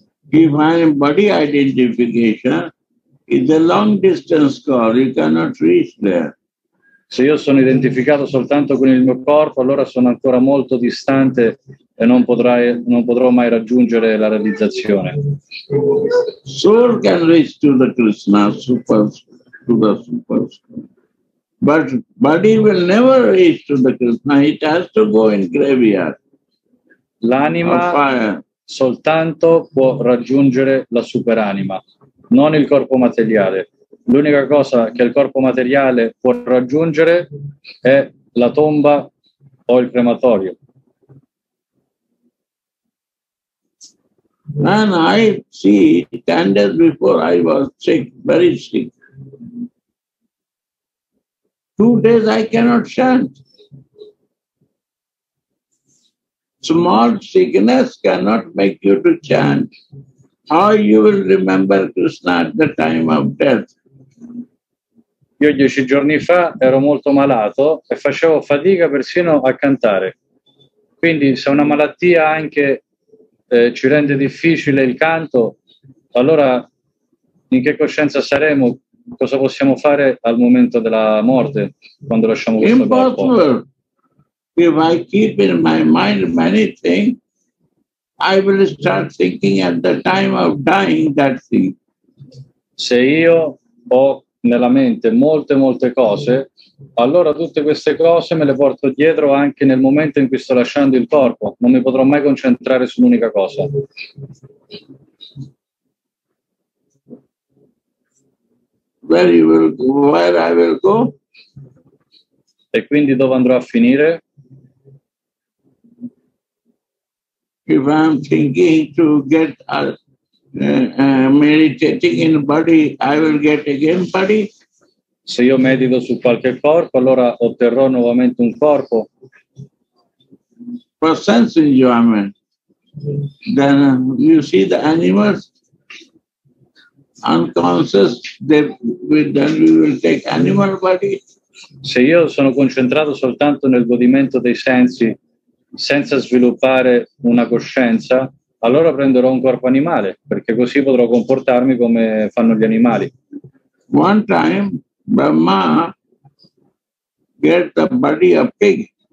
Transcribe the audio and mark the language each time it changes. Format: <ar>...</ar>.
<en>If I am body identification, it's a long distance call, you cannot reach there.</en> <it>Se io sono identificato soltanto con il mio corpo, allora sono ancora molto distante e non potrò mai raggiungere la realizzazione.</it> <en>Soul can reach to the Krishna, to the super soul. But body will never reach to the Krishna, it has to go in graveyard.</en> <it>L'anima soltanto può raggiungere la superanima, non il corpo materiale. L'unica cosa che il corpo materiale può raggiungere è la tomba o il crematorio.</it> <en>And I see 10 days before I was sick, very sick. 2 days I cannot chant. Small sickness cannot make you to chant. How you will remember Krishna at the time of death?</en> <it>Io 10 giorni fa ero molto malato e facevo fatica persino a cantare. Quindi se una malattia anche ci rende difficile il canto, allora in che coscienza saremo? Cosa possiamo fare al momento della morte quando lasciamo questo corpo?</it> <en>Impossible. If I keep in my mind many things, I will start thinking at the time of dying that thing.</en> <it>Se io ho nella mente molte molte cose, allora tutte queste cose me le porto dietro anche nel momento in cui sto lasciando il corpo, non mi potrò mai concentrare su un'unica cosa.</it> <en>Where you will go, where I will go?</en> <it>E quindi dove andrò a finire?</it> <en>If I'm thinking to get meditating in body, I will get again body.</en> <it>Se io medito su qualche corpo, allora otterrò nuovamente un corpo.</it> <en>For sense enjoyment, then you see the animals unconscious. Then we will take animal body.</en> <it>Se io sono concentrato soltanto nel godimento dei sensi, senza sviluppare una coscienza, allora prenderò un corpo animale, perché così potrò comportarmi come fanno gli animali.</it> <en>One time Brahma get the body of pig.</en>